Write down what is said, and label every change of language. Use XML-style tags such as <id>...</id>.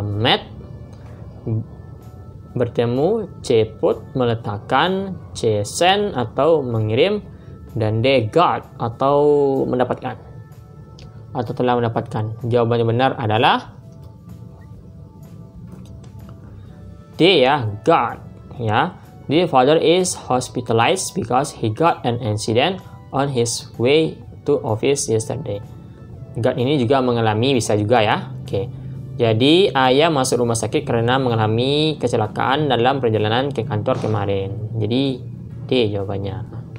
<id>Met, bertemu. C. Put, meletakkan. C. Send atau mengirim. Dan D. Got atau mendapatkan. Atau telah mendapatkan. Jawabannya benar adalah D ya, got.</id> <en>Ya, the father is hospitalized because he got an incident on his way to office yesterday.</en> <id>Got ini juga mengalami, bisa juga ya. Oke. Jadi ayah masuk rumah sakit karena mengalami kecelakaan dalam perjalanan ke kantor kemarin. Jadi D jawabannya.</id>